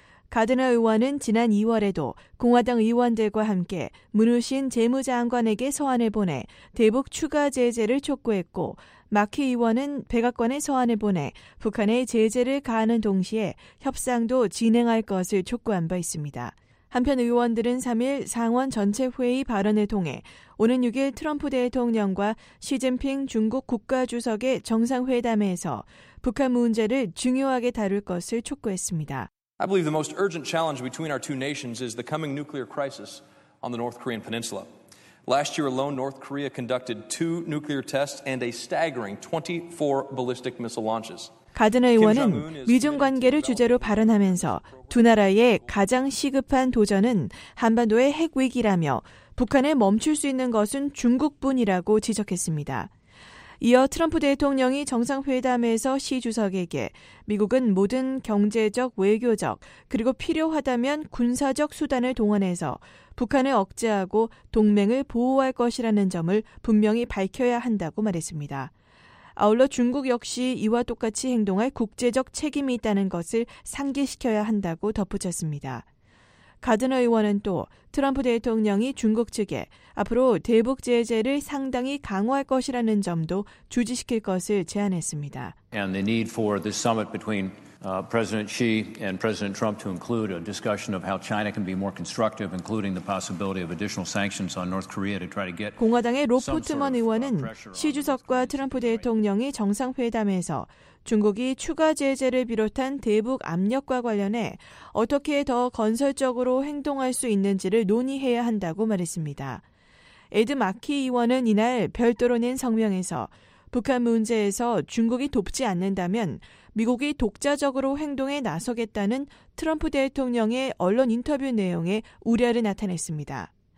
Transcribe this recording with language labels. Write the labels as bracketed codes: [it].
[ko] 가드너 의원은 지난 2월에도 공화당 의원들과 함께 문우신 재무장관에게 서한을 보내 대북 추가 제재를 촉구했고 마키 의원은 백악관에 서한을 보내 북한의 제재를 가하는 동시에 협상도 진행할 것을 촉구한 바 있습니다. 한편 의원들은 3일 상원 전체 회의 발언을 통해 오는 6일 트럼프 대통령과 시진핑 중국 국가주석의 정상회담에서 북한 문제를 중요하게 다룰 것을 촉구했습니다. [en] I believe the most urgent challenge between our two nations is the coming nuclear crisis on the North Korean peninsula. Last year alone, North Korea conducted two nuclear tests and a staggering 24 ballistic missile launches. [ko] 가드너 의원은 미중 관계를 주제로 발언하면서 두 나라의 가장 시급한 도전은 한반도의 핵 위기라며 북한을 멈출 수 있는 것은 중국뿐이라고 지적했습니다. 이어 트럼프 대통령이 정상회담에서 시 주석에게 미국은 모든 경제적, 외교적, 그리고 필요하다면 군사적 수단을 동원해서 북한을 억제하고 동맹을 보호할 것이라는 점을 분명히 밝혀야 한다고 말했습니다. 아울러 중국 역시 이와 똑같이 행동할 국제적 책임이 있다는 것을 상기시켜야 한다고 덧붙였습니다. 가드너 의원은 또 트럼프 대통령이 중국 측에 앞으로 대북 제재를 상당히 강화할 것이라는 점도 주지시킬 것을 제안했습니다. [en] And the need for this summit between President Xi and President Trump to include a discussion of how China can be more constructive, including the possibility of additional sanctions on North Korea to try to get [ko] 공화당의 로 포트먼 의원은 시 주석과 트럼프 대통령이 정상회담에서 중국이 추가 제재를 비롯한 대북 압력과 관련해 어떻게 더 건설적으로 행동할 수 있는지를 논의해야 한다고 말했습니다. 에드 마키 의원은 이날 별도로 낸 성명에서 북한 문제에서 중국이 돕지 않는다면 미국이 독자적으로 행동에 나서겠다는 트럼프 대통령의 언론 인터뷰 내용에 우려를 나타냈습니다.